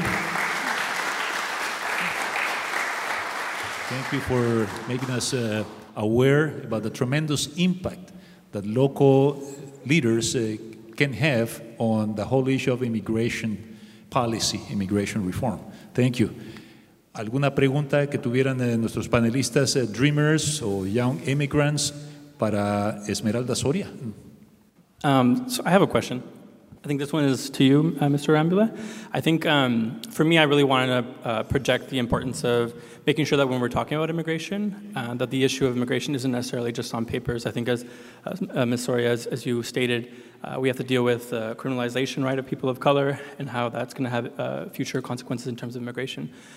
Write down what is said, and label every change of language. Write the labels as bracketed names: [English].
[English] Thank you for making us aware about the tremendous impact that local leaders can have on the whole issue of immigration policy, immigration reform. Thank you. [Spanish] ¿Alguna pregunta que tuvieran nuestros panelistas, Dreamers o Young Immigrants, para Esmeralda Soria? [English] So I have a question. I think this one is to you, Mr. Rambula. I think for me, I really wanted to project the importance of making sure that when we're talking about immigration, that the issue of immigration isn't necessarily just on papers. I think as Ms. Soria, as you stated, we have to deal with criminalization, right, of people of color and how that's going to have future consequences in terms of immigration.